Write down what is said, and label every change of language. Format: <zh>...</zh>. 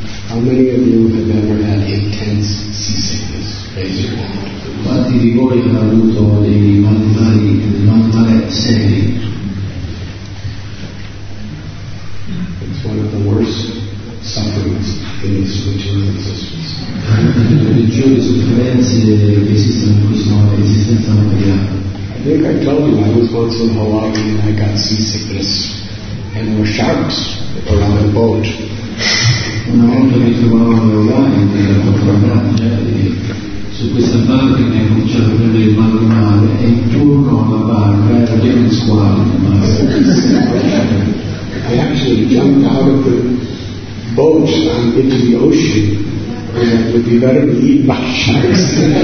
<en>How many of you have ever had intense seasickness? Raise your hand.</en> <it>Quanti di voi hanno avuto dei mal di mare, dei mal di mare seri?</it> <en>It's one of the worst sufferings in this material existence.</en> <it>Le peggiori sofferenze che esistono in questa esistenza materiale.</it> <en>I think I told you I was once in Hawaii and I got seasickness and there were sharks around the boat.</en> <it>Una volta mi trovavo in Hawaii e ero tornato su questa barca, mi ha cominciato a prendere il mal di mare e intorno alla barca era pieno di squali.</it> <en>I actually jumped out of the boat and into the ocean. It would be better to eat mushrooms.</en>